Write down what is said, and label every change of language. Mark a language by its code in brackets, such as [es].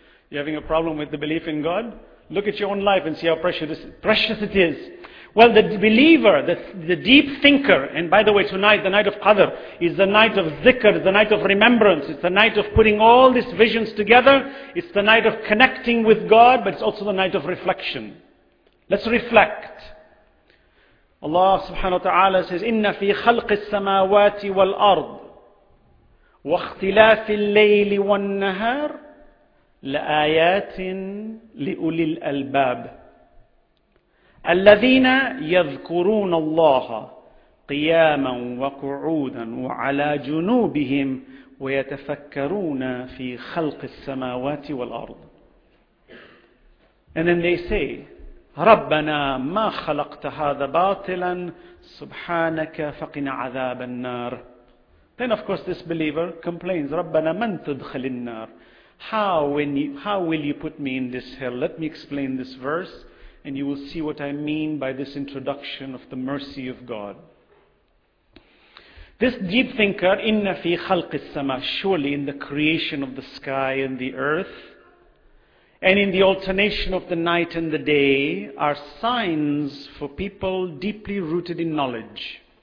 [en] You're having a problem with the belief in God? Look at your own life and see how precious it is. Well, the believer, the deep thinker, and by the way, tonight, the night of Qadr, is the night of zikr, the night of remembrance, it's the night of putting all these visions together, it's the night of connecting with God, but it's also the night of reflection. Let's reflect. [ar] Allah subhanahu wa ta'ala says, إِنَّ فِي خَلْقِ السَّمَاوَاتِ وَالْأَرْضِ وَاخْتِلَافِ اللَّيْلِ وَالنَّهَارِ لَآيَاتٍ لِأُولِي الْأَلْبَابِ الَّذِينَ يَذْكُرُونَ اللَّهَ قِيَامًا وَقُعُودًا وَعَلَى جُنُوبِهِمْ وَيَتَفَكَّرُونَ فِي خَلْقِ السَّمَاوَاتِ وَالْأَرْضِ. [en] And then they say, [ar] رَبَّنَا مَا خَلَقْتَ هَذَا بَاطِلًا سُبْحَانَكَ فَقِنَ عَذَابَ النَّارِ. [en] Then of course this believer complains, [ar] رَبَّنَا مَنْ تُدْخَلِ النَّارِ. [en] How will you put me in this hell? Let me explain this verse and you will see what I mean by this introduction of the mercy of God. This deep thinker, [ar] إِنَّ فِي خَلْقِ السَّمَاءِ, [en] surely in the creation of the sky and the earth, and in the alternation of the night and the day, are signs for people deeply rooted in knowledge.